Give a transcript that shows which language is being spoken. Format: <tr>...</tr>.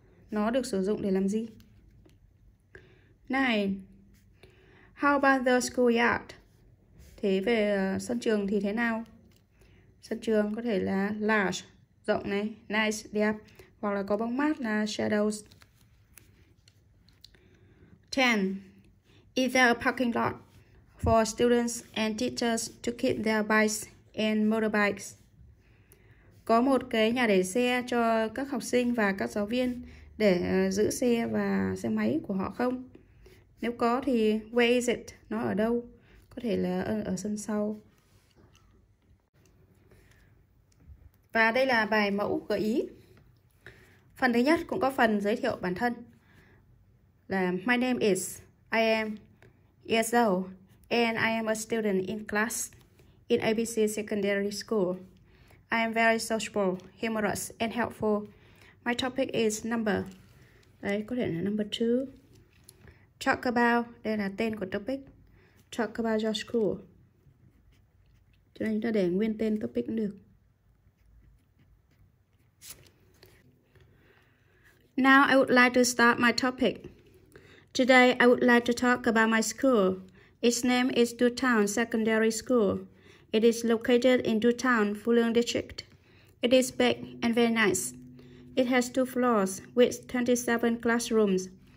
<vi>Nó được sử dụng để làm gì? 9.</vi> <en>How about the schoolyard?</en> <vi>Thế về sân trường thì thế nào? Sân trường có thể là large, rộng này, nice, đẹp, hoặc là có bóng mát là shadows. 10.</vi> <en>Is there a parking lot for students and teachers to keep their bikes and motorbikes?</en> <vi>Có một cái nhà để xe cho các học sinh và các giáo viên để giữ xe và xe máy của họ không? Nếu có thì</vi> <en>where is it?</en> <vi>Nó ở đâu? Có thể là ở sân sau. Và đây là bài mẫu gợi ý. Phần thứ nhất cũng có phần giới thiệu bản thân.</vi> <en>Là my name is, I am years old, and I am a student in class in ABC Secondary School. I am very sociable, humorous, and helpful. My topic is number.</en> <vi>Đấy, có thể là number 2.</vi> <en>Talk about,</en> <vi>đây là tên của topic.</vi> <en>Talk about your school.</en> <vi>Cho nên chúng ta để nguyên tên topic cũng được.</vi> <en>Now I would like to start my topic. Today I would like to talk about my school. Its name is Dutown Secondary School. It is located in Dutown, Fulong District. It is big and very nice. It has two floors with 27 classrooms.</en>